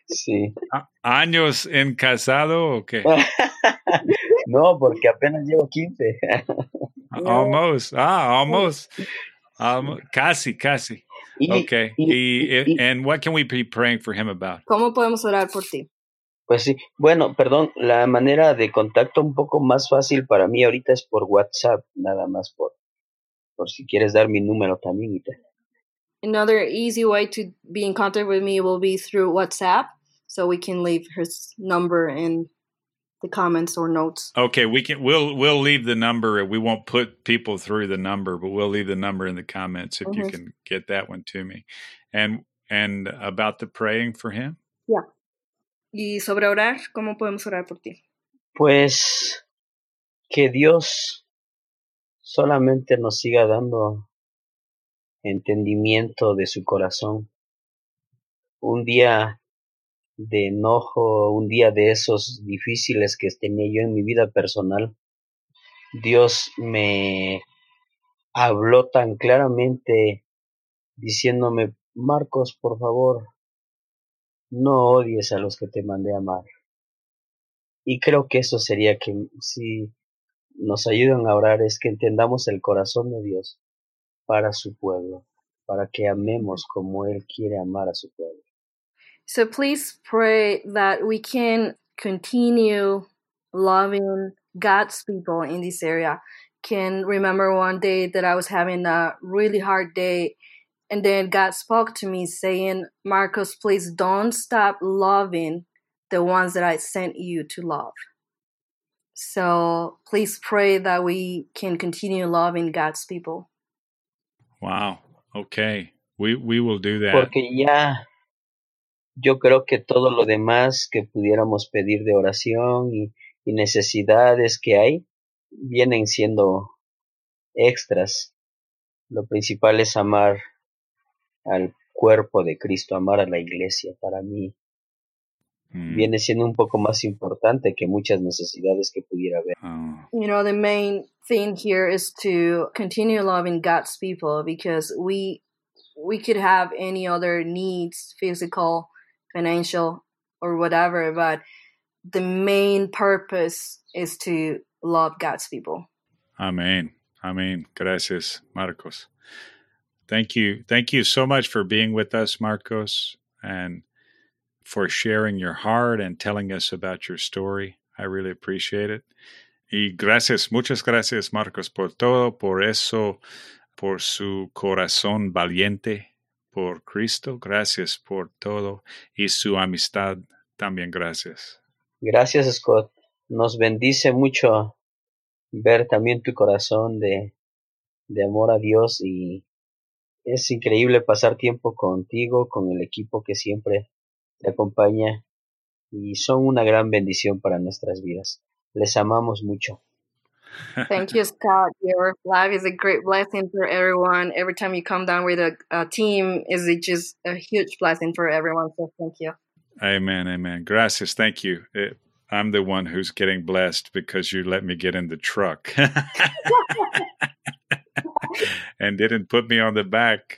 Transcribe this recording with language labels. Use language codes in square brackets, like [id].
[es] Sí. ¿Años en casado o qué? No, porque apenas llevo 15. [en] Almost. Ah, almost. [es] Casi. [en] Ok. And what can we be praying for him about? [es] ¿Cómo podemos orar por ti? Pues sí, bueno, perdón, la manera de contacto un poco más fácil para mí ahorita es por WhatsApp, nada más por si quieres dar mi número también. [en] Another easy way to be in contact with me will be through WhatsApp, so we can leave his number in the comments or notes. Okay, we'll leave the number. We won't put people through the number, but we'll leave the number in the comments if you can get that one to me. And about the praying for him? Yeah. [es] Y sobre orar, ¿cómo podemos orar por ti? Pues que Dios solamente nos siga dando entendimiento de su corazón. Un día de enojo, un día de esos difíciles que tenía yo en mi vida personal, Dios me habló tan claramente diciéndome, Marcos, por favor, no odies a los que te mandé a amar. Y creo que eso sería que si nos ayudan a orar es que entendamos el corazón de Dios para su pueblo, para que amemos como Él quiere amar a su pueblo. [en] So please pray that we can continue loving God's people in this area. Can remember one day that I was having a really hard day, and then God spoke to me saying, Marcos, please don't stop loving the ones that I sent you to love. So please pray that we can continue loving God's people. Wow. Okay. We will do that. [es] Porque ya, yo creo que todo lo demás que pudiéramos pedir de oración y necesidades que hay, vienen siendo extras. Lo principal es amar al cuerpo de Cristo, amar a la iglesia. Para mí viene siendo un poco más importante que muchas necesidades que pudiera haber. [en] You know, the main thing here is to continue loving God's people, because we could have any other needs, physical, financial, or whatever, but the main purpose is to love God's people. Amen. Amen. [es] Gracias, [en] Marcos. Thank you. Thank you so much for being with us, Marcos, and for sharing your heart and telling us about your story. I really appreciate it. [es] Y gracias, muchas gracias, Marcos, por todo, por eso, por su corazón valiente por Cristo. Gracias por todo y su amistad también. Gracias. Gracias, Scott. Nos bendice mucho ver también tu corazón de amor a Dios, y es increíble pasar tiempo contigo, con el equipo que siempre te acompaña, y son una gran bendición para nuestras vidas. Les amamos mucho. [en] Thank you, Scott. Your life is a great blessing for everyone. Every time you come down with a team, is it just a huge blessing for everyone. So thank you. Amen, amen. [es] Gracias, [en] thank you. I'm the one who's getting blessed because you let me get in the truck and didn't put me on the back.